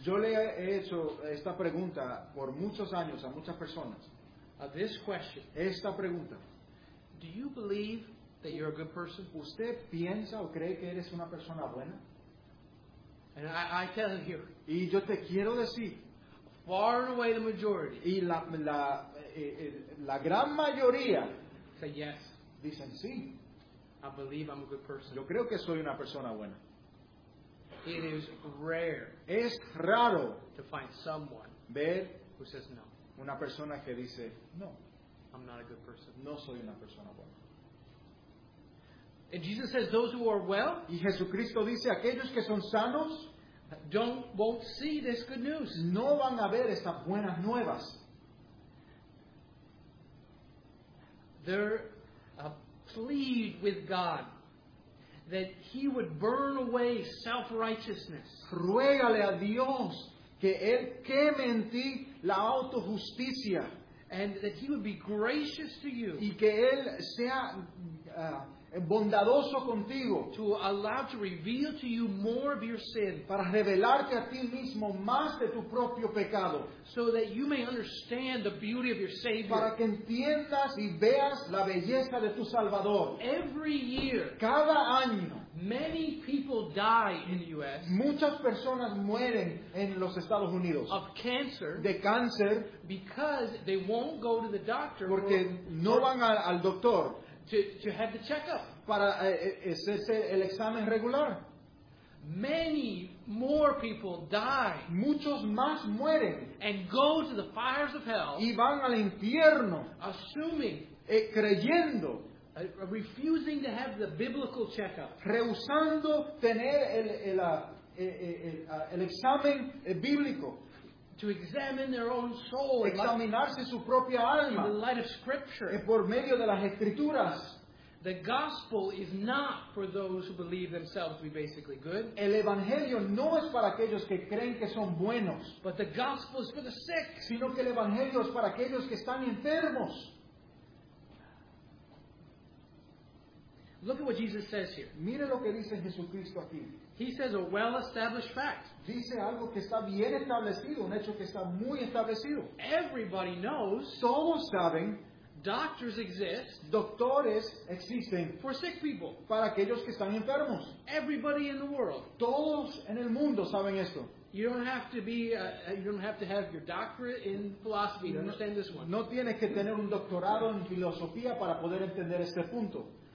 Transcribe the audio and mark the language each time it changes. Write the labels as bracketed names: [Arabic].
[Spanish] Yo le he hecho esta pregunta por muchos años a muchas personas. [English] This question. [Spanish] Esta pregunta. [English] Do you believe that you're a good person? [Spanish] ¿Usted piensa o cree que eres una persona buena? [English] And I tell you, [Spanish] y yo te quiero decir, [English] far and away the majority, [Spanish] y la gran mayoría, [English] say yes, [Spanish] dicen sí, [English] I believe I'm a good person. [Spanish] Yo creo que soy una persona buena. [English] It is rare, [Spanish] es raro, [English] to find someone [Spanish] ver [English] who says no, [Spanish] una persona que dice no, [English] I'm not a good person. [Spanish] No soy una persona buena. [English] And Jesus says, those who are well, [Spanish] y Jesucristo dice, aquellos que son sanos, [English] won't see this good news. [Spanish] No van a ver estas buenas nuevas. [English] They're a plea with God that He would burn away self-righteousness. [Spanish] Ruégale a Dios que Él queme en ti la autojusticia. [English] And that He would be gracious to you. [Spanish] Y que Él sea bondadoso contigo. [English] To allow to reveal to you more of your sin. [Spanish] Para revelarte a ti mismo más de tu propio pecado. [English] So that you may understand the beauty of your Savior. [Spanish] Para que entiendas y veas la belleza de tu Salvador. [English] Every year. [Spanish] Cada año. [English] Many people die in the U.S. [Spanish] Muchas personas mueren en los Estados Unidos. [English] Of cancer. [Spanish] De cáncer. [English] Because they won't go to the doctor. [Spanish] Porque no van al doctor. [English] To have the checkup. [Spanish] Para ese el examen regular. [English] Many more people die. [Spanish] Muchos más mueren. [English] And go to the fires of hell. [Spanish] Y van al infierno. [English] Assuming. [Spanish] Creyendo. [English] Refusing to have the biblical checkup. [Spanish] Rehusando tener el examen bíblico. [English] To examine their own soul, [Spanish] examinarse su propia alma, [English] in the light of Scripture, [Spanish] por medio de las Escrituras. [English] The gospel is not for those who believe themselves to be basically good. [Spanish] El evangelio no es para aquellos que creen que son buenos. [English] But the gospel is for the sick. [Spanish] Sino que el evangelio es para aquellos que están enfermos. [English] Look at what Jesus says here. [Spanish] Mire lo que dice Jesucristo aquí. [English] He says a well-established fact. [Spanish] Dice algo que está bien establecido, un hecho que está muy establecido. [English] Everybody knows. [Spanish] Todos saben. [English] Doctors exist. [Spanish] Doctores existen. [English] For sick people. [Spanish] Para aquellos que están enfermos. [English] Everybody in the world. [Spanish] Todos en el mundo saben esto. [English] You don't have to be. You don't have to have your doctorate in philosophy to understand this one. [Spanish] No tienes que tener un doctorado en filosofía para poder entender este punto.